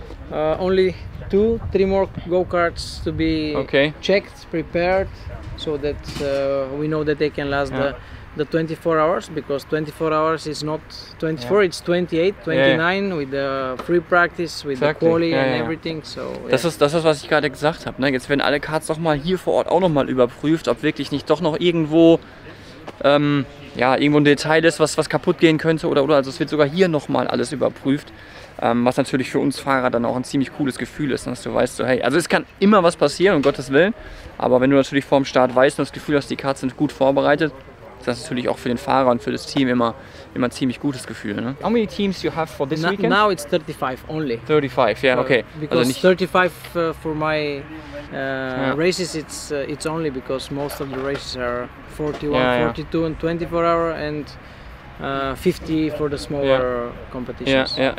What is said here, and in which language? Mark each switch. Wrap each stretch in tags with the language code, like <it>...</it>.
<en>Only 2-3 more go-karts to be checked, prepared, so that we know that they can last the 24 hours, because 24 hours is not 24, it's 28, 29 with the free practice, with the quali and everything, so</en> <de>Das ist, was ich gerade gesagt habe, ne? Jetzt werden alle Karts doch mal hier vor Ort auch noch mal überprüft, ob wirklich nicht doch noch irgendwo irgendwo ein Detail ist, was kaputt gehen könnte oder also es wird sogar hier noch mal alles überprüft, was natürlich für uns Fahrer dann auch ein ziemlich cooles Gefühl ist, dass du weißt, so hey, also es kann immer was passieren, um Gottes Willen, aber wenn du natürlich vorm Start weißt und das Gefühl hast, die Karts sind gut vorbereitet, das ist natürlich auch für den Fahrer und für das Team immer ein ziemlich gutes Gefühl, ne?</de> <en>How many teams you have for this weekend? Now it's 35 only. 35, yeah, okay. Because</en> <de>also nicht</de> <en>35 for my races, it's only because most of the races are 41, 42 and 24 hour and 50 for the smaller competitions.</en>